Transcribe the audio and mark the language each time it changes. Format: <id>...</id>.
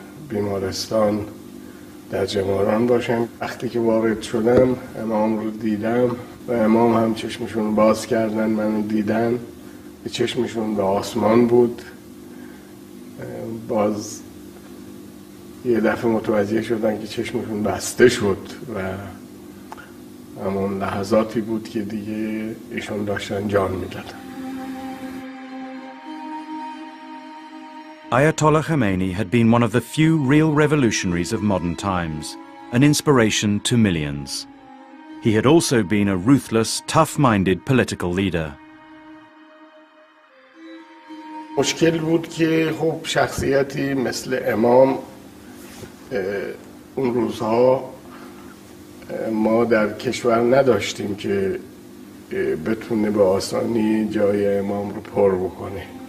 <fa>بیمارستان در جماران باشم وقتی که وارد شدم امام رو دیدم و امام هم چشمشون رو باز کردن من رو دیدن به چشمشون به آسمان بود باز یه دفعه متوجه شدن که چشمشون بسته شد و همون لحظاتی بود که دیگه ایشون داشتن جان میدادن</fa> <en>Ayatollah Khomeini had been one of the few real revolutionaries of modern times, an inspiration to millions. He had also been a ruthless, tough-minded political leader.</en> <fa>مشکل بود که خب شخصیتی مثل امام اون روزها ما در کشور نداشتیم که بتونه به آسانی جای امام رو پر بکنه.</fa>